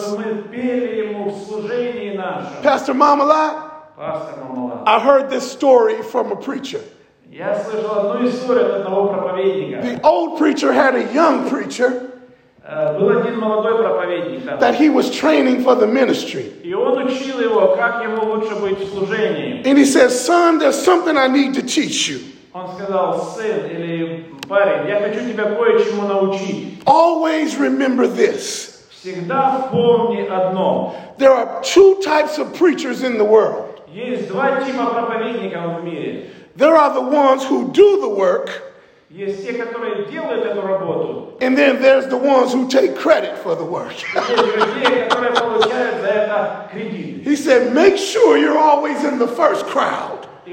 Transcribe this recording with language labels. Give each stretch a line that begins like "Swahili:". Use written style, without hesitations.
Russian: Чтобы мы пели ему в служении нашем.
English: Pastor Mamala. Pastor Mamala. I heard this story from a preacher.
Russian: Я слышал одну историю от одного проповедника.
English: The old preacher had a young preacher.
Russian: Был один молодой проповедник. Там.
English: That he was training for the ministry.
Russian: И он учил его, как ему лучше быть в служении.
English: And he said, "Son, there's something I need to teach you."
Russian: Он сказал, сын или парень, я хочу тебя кое-чему научить.
English: Always remember this.
Russian: Всегда помни одно.
English: There are two types of preachers in the world.
Russian: Есть два типа проповедников в мире.
English: There are the ones who do the work.
Russian: Есть те, которые делают эту работу.
English: And then there's the ones who take credit for the work. He said, make sure you're always in the first crowd.